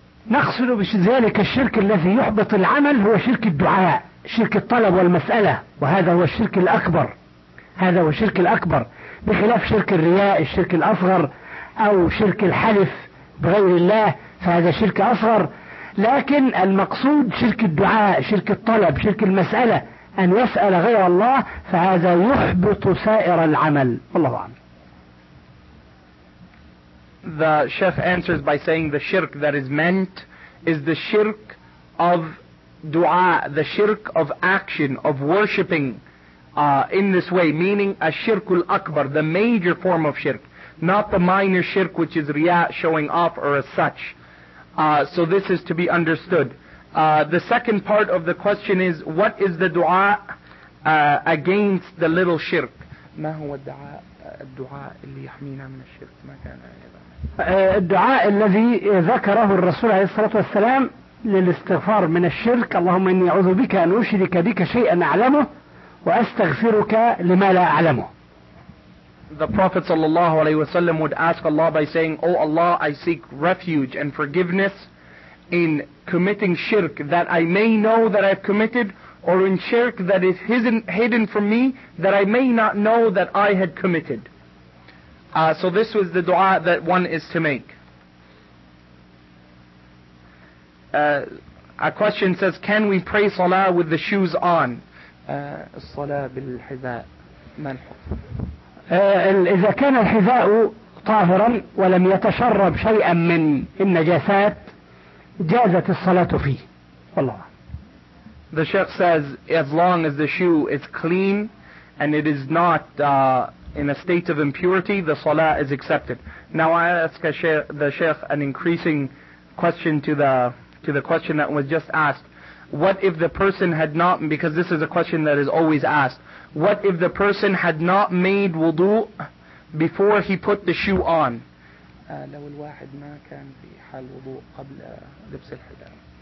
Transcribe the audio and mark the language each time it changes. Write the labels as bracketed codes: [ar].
[ar] نقصد بذلك الشرك الذي يحبط العمل هو شرك الدعاء شرك الطلب والمسألة وهذا هو الشرك الأكبر هذا هو الشرك الأكبر بخلاف شرك الرياء الشرك الأصغر أو شرك الحلف بغير الله فهذا شرك أصغر لكن المقصود شرك الدعاء شرك الطلب شرك المسألة أن يسأل غير الله فهذا يحبط سائر العمل والله أعلم. [en] The sheikh answers by saying the shirk that is meant is the shirk of dua, the shirk of action, of worshipping in this way, meaning a shirk al-akbar, the major form of shirk, not the minor shirk which is riyah, showing off or as such. So this is to be understood. The second part of the question is, what is the dua against the little shirk? [ar] ما هو الدعاء الدعاء اللي يحمينا من الشرك ما كان الدعاء الذي ذكره الرسول عليه الصلاة والسلام للاستغفار من الشرك اللهم إني أعوذ بك أن أشرك بك شيئا أعلمه وأستغفرك لما لا أعلمه. [en] The Prophet sallallahu alaihi wasallam would ask Allah by saying, O Allah, I seek refuge and forgiveness in committing shirk that I may know that I've committed, or in shirk that is hidden from me that I may not know that I had committed. So this was the dua that one is to make. A question says, can we pray salah with the shoes on? Salah bil hiza manhu. [ar] إذا كان الحذاء طاهرا ولم يتشرب شيئا من النجاسات جازت الصلاة فيه والله. [en] The sheikh says as long as the shoe is clean and it is not in a state of impurity the salah is accepted. Now I ask the sheikh an increasing question to the question that was just asked. What if the person had not, because this is a question that is always asked, what if the person had not made wudu before he put the shoe on? [ar] لو الواحد ما كان في حال وضوء قبل لبس الحذاء.